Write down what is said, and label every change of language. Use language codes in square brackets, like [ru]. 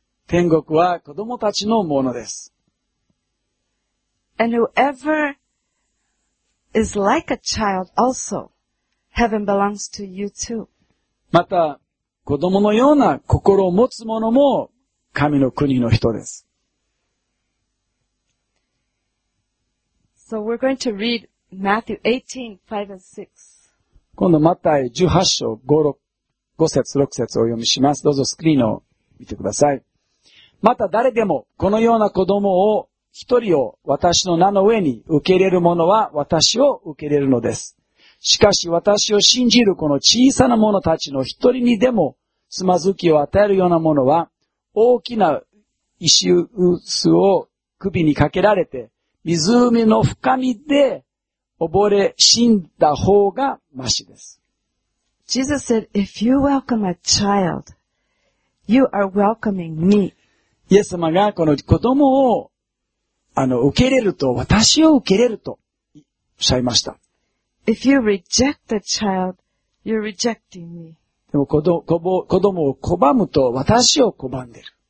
[ja] 天国は子供たちのものです。 [en] And whoever is like a child also, heaven belongs to you too. [ja] また、子供のような心を持つ者も神の国の人です。 [en] So we're going to read Matthew 18:5-6. [ja] 今度、マタイ18章 5節、6節をお読みします。どうぞスクリーンを見てください。また誰でもこのような子供を一人を私の名の上に受け入れる者は私を受け入れるのです。しかし私を信じるこの小さな者たちの一人にでもつまずきを与えるような者は大きな石臼を首にかけられて湖の深みで溺れ死んだ方がましです。 [en] Jesus said, if you welcome a child, you are welcoming me. [ja] イエス様がこの子供を受け入れると、私を受け入れると、おっしゃいました。 [en] If you reject the child, you're rejecting me. [ja] でも子供を拒むと、私を拒んでる。